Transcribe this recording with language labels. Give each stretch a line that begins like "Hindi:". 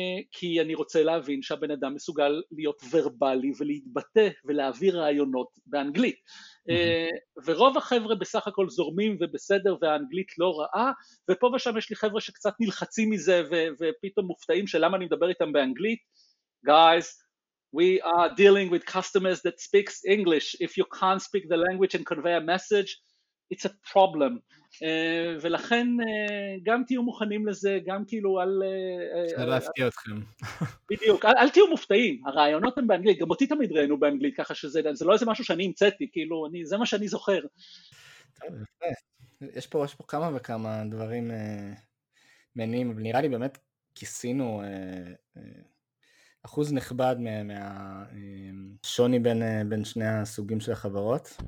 Hebrew: כי אני רוצה להבין שהבן אדם מסוגל להיות ורבלי ולהתבטא ולהעביר רעיונות באנגלית. ורוב החבר'ה בסך הכל זורמים ובסדר והאנגלית לא רעה, ופה ושם יש לי חבר'ה שקצת נלחצים מזה ופתאום מופתעים שלמה אני מדבר איתם באנגלית.
English: Guys, we are dealing with customers that speaks English. If you can't speak the language and convey a message, it's a problem.
Hebrew: ולכן גם תהיו מוכנים לזה, גם כאילו על... אפשר להפתיע אתכם. בדיוק, אל תהיו מופתעים, הרעיונות הם באנגלית, גם אותי תמיד ראינו באנגלית, ככה שזה לא איזה משהו שאני המצאתי, כאילו זה מה שאני זוכר. יש פה כמה וכמה דברים מעניינים, אבל נראה לי באמת כיסינו אחוז נכבד מהשוני בין שני הסוגים של החברות.